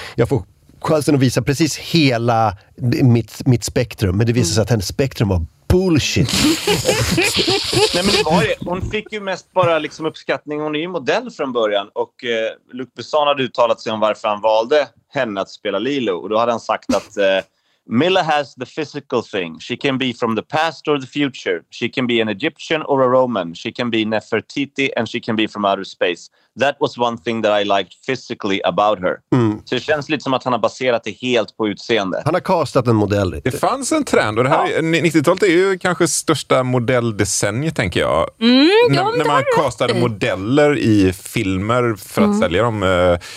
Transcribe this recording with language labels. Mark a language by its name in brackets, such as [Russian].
[Swedish] Jag får chansen att visa precis hela mitt spektrum, men det visar sig att hennes spektrum var bullshit. Nej, men det var det. Hon fick ju mest bara liksom uppskattning. Hon är ju modell från början. Och Luc Besson hade uttalat sig om varför han valde henne att spela Lilo. Och då hade han sagt att Mila [English] has the physical thing. She can be from the past or the future. She can be an Egyptian or a Roman. She can be Nefertiti and she can be from outer space. That was one thing that I liked physically about her. [Swedish] Mm. Så det känns lite som att han har baserat det helt på utseende. Han har castat en modell. Det fanns en trend och det här 90-talet är ju kanske största modelldecenniet, tänker jag. Mm, när man castade modeller i filmer för att sälja dem.